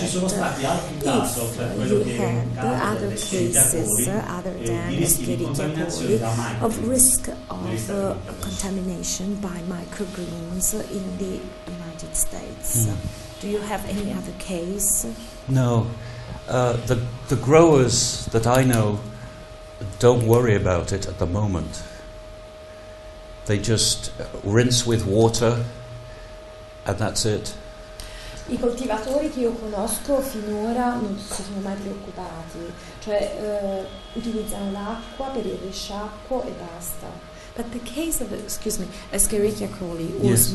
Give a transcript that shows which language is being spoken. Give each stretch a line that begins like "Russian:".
English: If you have the other cases, other than Schiavacoli, of risk of contamination by microgreens in the United States, do you have any other case? No. The growers that I know don't worry about it at the moment. They just rinse with water, and that's it.
Italian: I coltivatori che io conosco finora non si sono mai preoccupati, cioè utilizzano l'acqua per il risciacquo e basta.
English: But the case of, excuse me, Escherichia coli was yes.